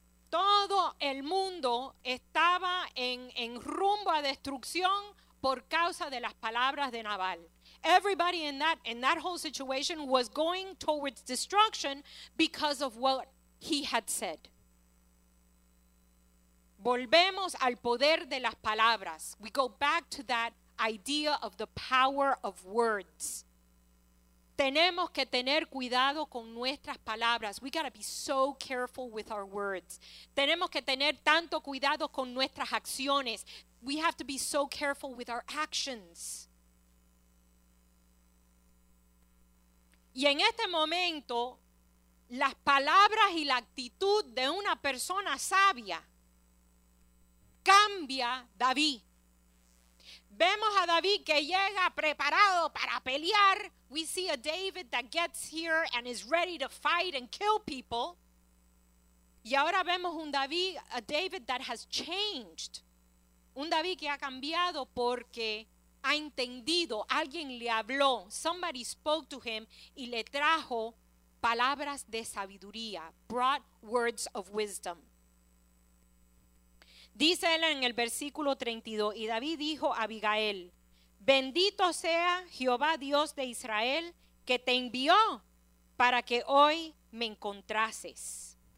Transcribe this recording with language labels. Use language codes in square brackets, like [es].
[es] Todo el mundo estaba en rumbo a destrucción por causa de las palabras de Nabal. [en] Everybody in that whole situation was going towards destruction because of what he had said. [es] Volvemos al poder de las palabras. [en] We go back to that idea of the power of words. [es] Tenemos que tener cuidado con nuestras palabras. [en] We gotta be so careful with our words. [es] Tenemos que tener tanto cuidado con nuestras acciones. [en] We have to be so careful with our actions. [es] Y en este momento, las palabras y la actitud de una persona sabia cambia David. Vemos a David que llega preparado para pelear. [en] We see a David that gets here and is ready to fight and kill people. [es] Y ahora vemos a David [en] that has changed. [es] Un David que ha cambiado porque ha entendido, alguien le habló. [en] Somebody spoke to him [es] y le trajo palabras de sabiduría. [en] Brought words of wisdom. [es] Dice él en el versículo 32, y David dijo a Abigail, bendito sea Jehová Dios de Israel que te envió para que hoy me encontrases.